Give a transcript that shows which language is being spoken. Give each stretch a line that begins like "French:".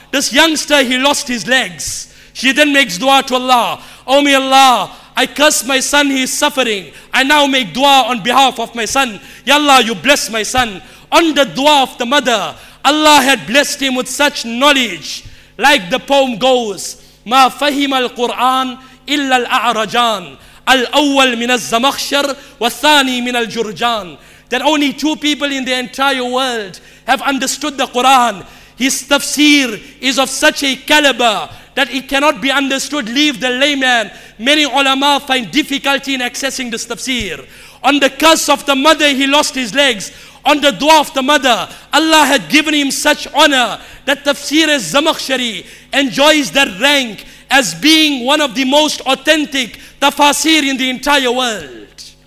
English: This youngster, he lost his legs. She then makes dua to Allah. O my Allah, I curse my son, he is suffering. I now make dua on behalf of my son. Ya Allah, you bless my son. On the dua of the mother, Allah had blessed him with such knowledge. Like the poem goes,
Arabic: مَا فَهِمَ الْقُرْآنِ إِلَّا الْأَعْرَجَانِ الْأَوَّلْ مِنَ الزَّمَخْشَرِ وَالثَّانِي مِنَ الْجُرْجَانِ.
English: That only two people in the entire world have understood the Quran. His tafsir is of such a caliber that it cannot be understood. Leave the layman. Many ulama find difficulty in accessing this tafsir. On the curse of the mother, he lost his legs. On the dua of the mother, Allah had given him such honor that tafsir as Zamakhshari enjoys that rank as being one of the most authentic tafsir in the entire world.